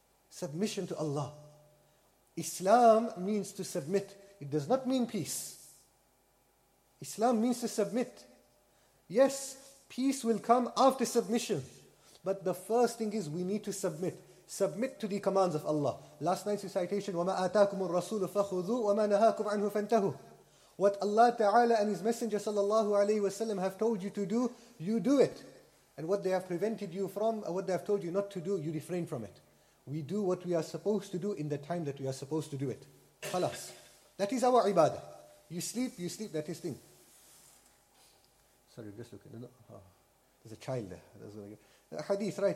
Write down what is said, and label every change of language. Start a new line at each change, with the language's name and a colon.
English: Submission to Allah. Islam means to submit. It does not mean peace. Islam means to submit. Yes, peace will come after submission. But the first thing is we need to submit. Submit to the commands of Allah. Last night's recitation,
Arabic: وَمَا آتَاكُمُ الرَّسُولُ فَخُذُوا وَمَا نَهَاكُمْ عَنْهُ فَانْتَهُوا.
English: What Allah Ta'ala and His Messenger sallallahu alayhi wasallam have told you to do, you do it. And what they have prevented you from, or what they have told you not to do, you refrain from it. We do what we are supposed to do in the time that we are supposed to do it. Khalas. That is our ibadah. You sleep, that is thing. Sorry, just looking. There's a child there. That's what I get. Hadith, right?